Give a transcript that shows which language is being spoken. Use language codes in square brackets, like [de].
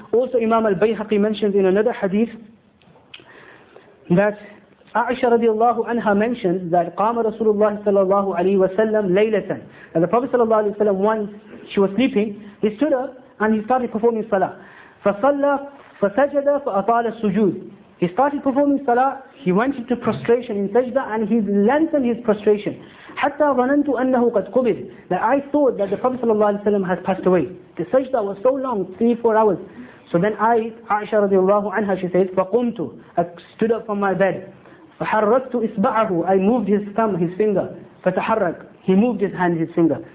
[en] Also, Imam al-Bayhaqi mentions in another hadith that Aisha radiallahu anha mentions that qama Rasulullah sallallahu alayhi wa sallam laylatan. And the Prophet sallallahu alayhi wa sallam, once she was sleeping, he stood up and he started performing salah. [ar] Fasalla fasajada faatala sujood. [en] He started performing salah, he went into prostration in sajda and he lengthened his prostration. [ar] Hatta ظننت أنه قد قبض. [en] That I thought that the Prophet sallallahu alayhi wa sallam has passed away. The sajda was so long, 3-4 hours. So then Aisha radiallahu anha, she says, [ar] فقمتو. [en] I stood up from my bed. [ar] فَحَرَّكْتُ إِصْبَعَهُ, [en] I moved his thumb, his finger. [ar] فَتَحَرَّكْ, [en] he moved his hand, his finger.